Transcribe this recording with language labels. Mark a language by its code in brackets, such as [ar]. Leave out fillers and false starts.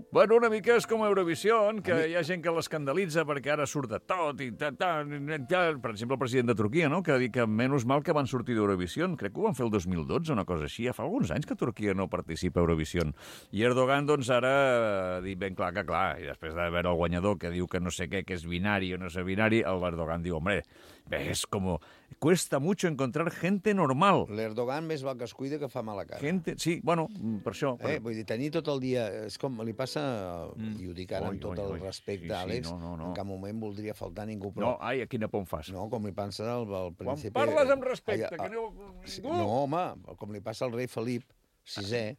[ca] Bueno, una mica és com Eurovisió, que hi ha gent que l'escandalitza perquè ara surt de tot i per exemple, el president de Turquia, no?, que ha dit que menys mal que van sortir d'Eurovisió. Crec que ho van fer el 2012, una cosa així. Ja fa alguns anys que Turquia no participa a Eurovisió. I Erdogan, doncs, ara ha dit ben clar que clar, i després de veure el guanyador que diu que no sé què, que és binari o no sé binari, el Erdogan diu, hombre, és com... [es] Cuesta mucho encontrar gente normal. [ca] L'Erdogan més val que es cuida que fa mala cara. Gente, sí, bueno, per això... Vull dir, tenir tot el dia... És com li passa, i ho dic ara amb tot el respecte, sí, Àlex, sí, no. En cap moment voldria faltar ningú, però... No, ai, a quina por em fas? No, com li passa al principi... Quan parles amb respecte, que no... No, home, com li passa al rei Felip VI...